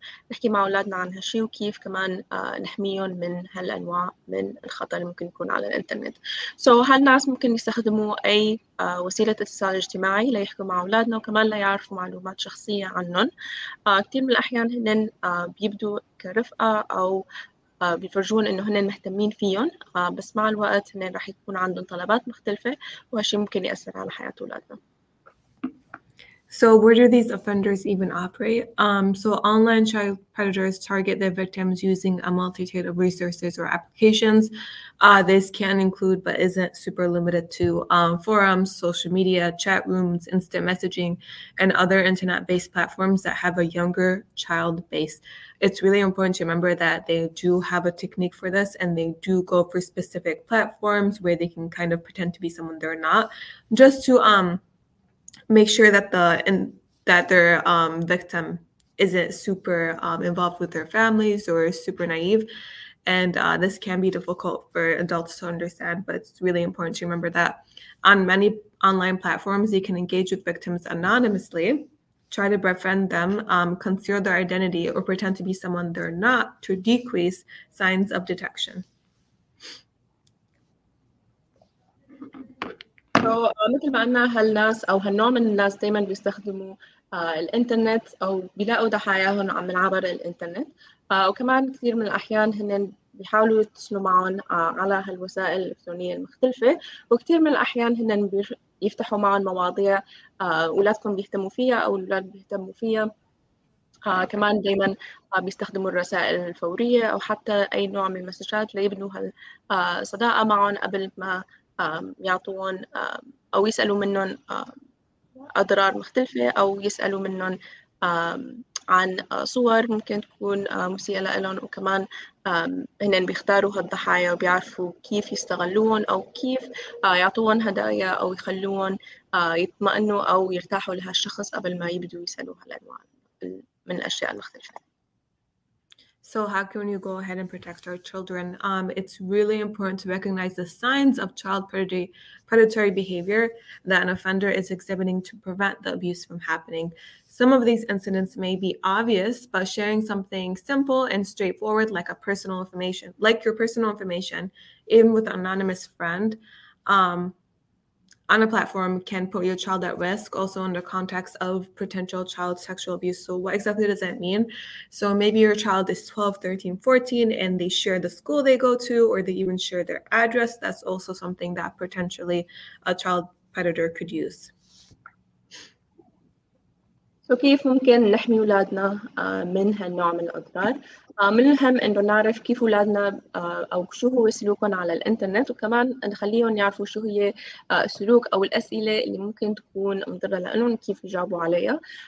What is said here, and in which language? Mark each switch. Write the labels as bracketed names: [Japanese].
[Arabic] نحكي مع أولادنا عن هالشي وكيف كمان نحميهم من هالأنواع من الخطر اللي ممكن يكون على الإنترنت سو هل الناس ممكن يستخدموا أي وسيلة اتصال اجتماعي ليحكوا مع أولادنا وكمان ليعرفوا معلومات شخصية عنهم كتير من الأحيان هن بيبدوا كرفقة أو بيفرجون إنه هنن مهتمين فيهم بس مع الوقت هنن راح يكون عندهم طلبات مختلفة وهالشي ممكن يأثر على حياة أولادنا. [English] So where do these offenders even operate? So online child predators target their victims using a multitude of resources or applications. This can include, but isn't super limited to forums, social media, chat rooms, instant messaging, and other internet-based platforms that have a younger child base. It's really important to remember that they do have a technique for this and they do go for specific platforms where they can kind of pretend to be someone they're not. Just to make sure that their victim isn't super involved with their families or super naive. And this can be difficult for adults to understand, but it's really important to remember that on many online platforms, you can engage with victims anonymously, try to befriend them, conceal their identity, or pretend to be someone they're not to decrease signs of detection. [Arabic] مثل ما قلنا هالناس أو هالنوع من الناس دايماً بيستخدموا الإنترنت أو بيلاقوا ضحاياهم عبر الإنترنت وكمان كثير من الأحيان هن بيحاولوا يتصلوا معهم على هالوسائل الإلكترونية المختلفة، وكثير من الأحيان هن يفتحوا معهم مواضيع أولادكم بيهتموا فيها أو الأولاد بيهتموا فيها. كمان دائما بيستخدموا الرسائل الفورية أو حتى أي نوع من المسجات ليبنوا هالصداقة معهم قبل ما يعطون أو يسألوا منهم أضرار مختلفة أو يسألوا منهم عن صور ممكن تكون مسيئة لهم، وكمان هنن بيختاروا هالضحايا وبيعرفوا كيف يستغلون أو كيف يعطون هدايا أو يخلون يطمئنوا أو يرتاحوا لهالشخص قبل ما يبدوا يسألوا هالأنواع من الأشياء المختلفة. [English] So how can you go ahead and protect our children? It's really important to recognize the signs of child predatory behavior that an offender is exhibiting to prevent the abuse from happening. Some of these incidents may be obvious, but sharing something simple and straightforward, like a personal information, like your personal information, even with an anonymous friend, on a platform can put your child at risk, also under context of potential child sexual abuse. So what exactly does that mean? So maybe your child is 12, 13, 14, and they share the school they go to, or they even share their address. That's also something that potentially a child predator could use. [Arabic] So كيف ممكن نحمي أولادنا من هالنوع من الأضرار؟ من المهم إنه نعرف كيف أولادنا أو شو هو سلوكهم على الإنترنت، وكمان نخليهم يعرفوا شو هي السلوك أو الأسئلة اللي ممكن تكون مضرة لهم كيف يجاوبوا عليها.